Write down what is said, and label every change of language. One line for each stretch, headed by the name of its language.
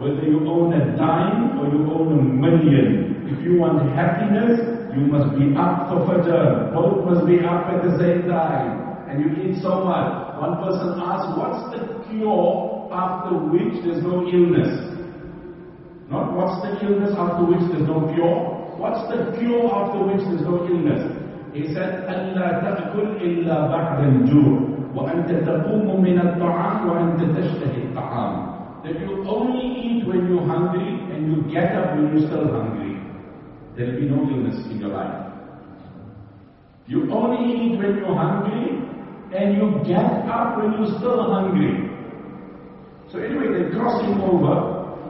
English: Whether you own a dime or you own a million, if you want happiness, you must be up for fajr. Both must be up at the same time. And you eat so much. One person asks, what's the cure after which there's no illness? Not what's the illness after which there's no cure? What's the cure after which there's no illness? He said,
Arabic: أَلَّا تَأْكُلْ إِلَّا بَعْدَ الْجُوعِ وَأَنْتَ تَقُومُ مِنَ الطَّعَامِ وَأَنْتَ تَشْتَهِي الطَّعَامِ.
English: That you only eat when you're hungry and you get up when you're still hungry. There'll be no illness in your life. You only eat when you're hungry and you get up when you're still hungry. So anyway, they're crossing over.